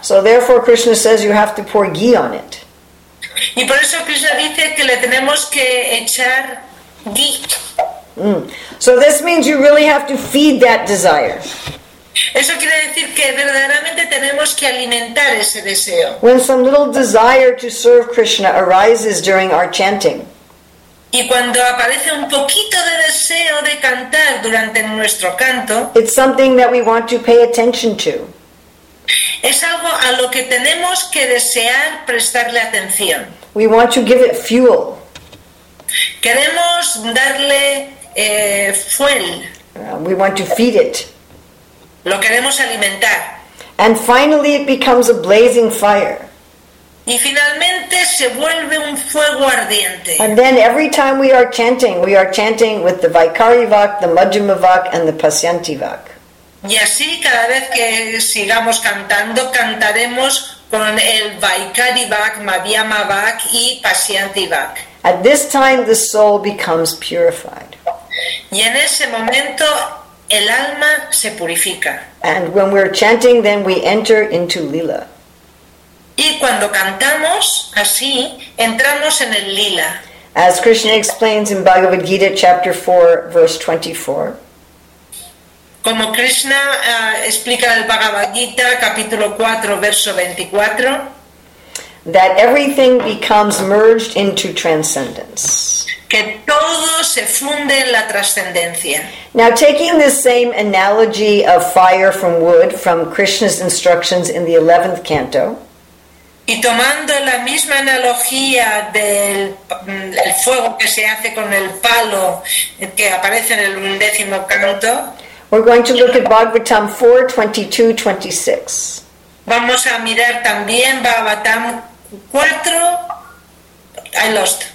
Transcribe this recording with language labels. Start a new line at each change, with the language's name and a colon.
English: So therefore, Krishna says you have to pour ghee on it.
Spanish: Y por eso Krishna dice que le tenemos que echar ghee.
English: So this means you really have to feed that desire.
Spanish: Eso quiere decir que verdaderamente tenemos que alimentar ese deseo.
English: When some little desire to serve Krishna arises during our chanting.
Spanish: Y cuando aparece un poquito de deseo de cantar durante nuestro canto.
English: It's something that we want to pay attention to.
Spanish: Es algo a lo que tenemos que desear prestarle atención.
English: We want to give it fuel.
Spanish: Queremos darle fuel.
English: We want to feed it.
Spanish: Lo queremos alimentar.
English: And finally it becomes a blazing fire.
Spanish: Y finalmente se vuelve un fuego ardiente.
English: And then every time we are chanting with the Vaikarivak, the Majjhimavak, and the Pasyantivak.
Spanish: Y así cada vez que sigamos cantando, cantaremos con el Vaikarivak, Madhyamavak y Pasyantivak.
English: At this time the soul becomes purified.
Spanish: Y en ese momento el alma se purifica.
English: And when we're chanting, then we enter into lila.
Spanish: Y cuando cantamos así, entramos en el lila.
English: As Krishna explains in Bhagavad Gita, chapter 4, verse 24.
Spanish: Como Krishna explica en el Bhagavad Gita, capítulo 4, verso 24.
English: That everything becomes merged into transcendence.
Spanish: Que todo se funde en la trascendencia.
English: Now taking the same analogy of fire from wood from Krishna's instructions in the 11th canto.
Spanish: Y tomando la misma analogía del el fuego que se hace con el palo que aparece en el undécimo canto.
English: We're going to look at Bhagavatam 4:22-26.
Spanish: Vamos a mirar también Bhagavatam 4,
English: I lost.